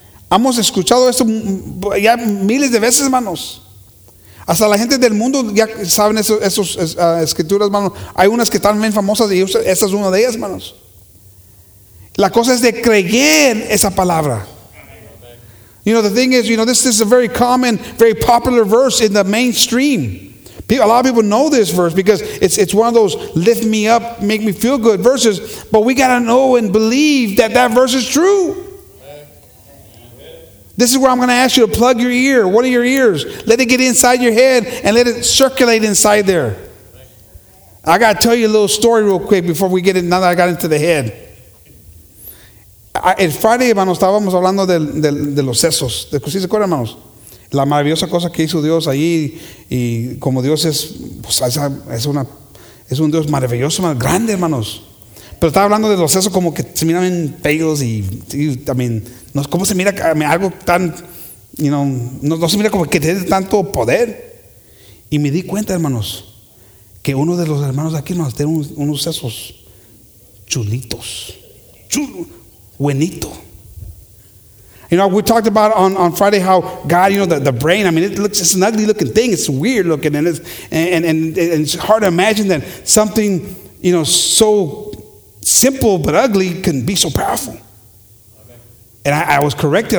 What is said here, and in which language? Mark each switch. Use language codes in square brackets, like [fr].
[es] Hemos escuchado esto ya miles de veces, hermanos. Hasta la gente del mundo ya saben esas escrituras, hermanos. Hay unas que están bien famosas y esa es una de ellas, hermanos. La cosa es de creer esa palabra. [en] You know, the thing is, you know, this is a very common, very popular verse in the mainstream. A lot of people know this verse because it's one of those lift me up, make me feel good verses. But we got to know and believe that verse is true. This is where I'm going to ask you to plug your ear, one of your ears. Let it get inside your head and let it circulate inside there. I got to tell you a little story real quick before we get it, now that I got into the head. [es] El Friday, hermanos, estábamos hablando de los sesos. ¿Se acuerdan, hermanos? La maravillosa cosa que hizo Dios ahí, y como Dios es, pues, es un Dios maravilloso, grande, hermanos. Pero estaba hablando de los sesos como que se miran feos y también, no, ¿cómo se mira algo tan, [en] you know, [es] no se mira como que tiene tanto poder? Y me di cuenta, hermanos, que uno de los hermanos de aquí, hermanos, tiene unos sesos chulitos, buenito. [en] You know, we talked about on Friday how God, you know, the brain, I mean, it's an ugly looking thing. It's weird looking, and it's hard to imagine that something, you know, so simple but ugly can be so powerful. And I was corrected.